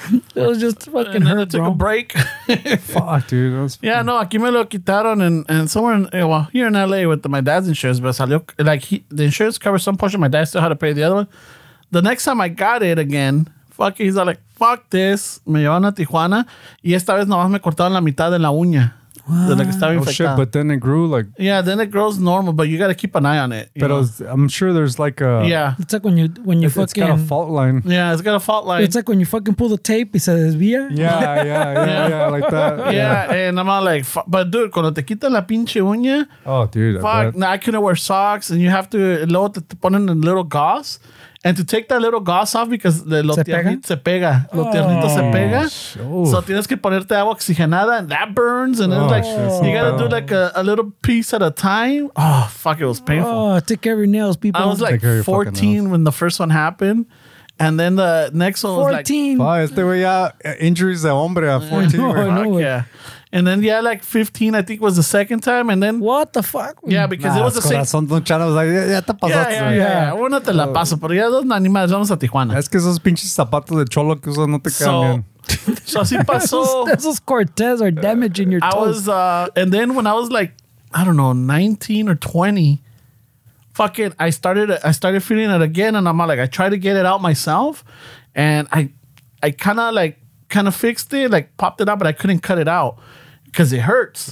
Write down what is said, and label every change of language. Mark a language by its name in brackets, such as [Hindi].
[English] It was just fucking hurt. It took A break. Fuck, dude. Yeah, no, [Spanish] aquí me lo quitaron [English] and somewhere here in LA with my dad's insurance, but [Spanish] salió, [English] like the insurance covered some portion. My dad still had to pay the other one. The next time I got it again, fucking, he's like, fuck this. [Spanish] Me llevaron a Tijuana. Y esta vez nomás me cortaron la mitad de la uña. [English] Wow. Like shit, but then it grew like... Yeah, then it grows normal, but you got to keep an eye on it. But I'm sure there's like a... Yeah. It's like when you fucking... It's got a fault line. Yeah, it's got a fault line. It's like when you fucking pull the tape, it says, via. Yeah, like that. Yeah, and I'm all like, but dude, [Spanish] cuando te quitan la pinche uña... [English] Oh, dude. Fuck, now I couldn't wear socks, and you have to put in a little gauze. And to take that little gauze off because the [Spanish] lo tiernito se pega. So tienes que ponerte agua oxigenada [English] and that burns. And you got to do like a little piece at a time. Oh, fuck. It was painful. Oh, take care of your nails, people. I was like 14 when the first one happened. And then the next one 14. Was like. [Spanish] 14. Este güey [English] injuries [Spanish] de hombre a 14. [English] Oh, no, yeah. And then, yeah, like 15, I think, was the second time. And then. What the fuck? Yeah, because it was the same. Son Don Chano was like, [Spanish] ya te pasaste. [English] Yeah. [Spanish] Uno te la paso, pero ya dos animales, vamos a Tijuana. Es que esos pinches zapatos de cholo que usan no te quedan bien. So así pasó. Esos [English] Cortez are damaging your toes. I was, and then when I was like, I don't know, 19 or 20, fucking, I started feeling it again, and I'm like, I tried to get it out myself, and I kind of fixed it, like popped it out, but I couldn't cut it out because it hurts.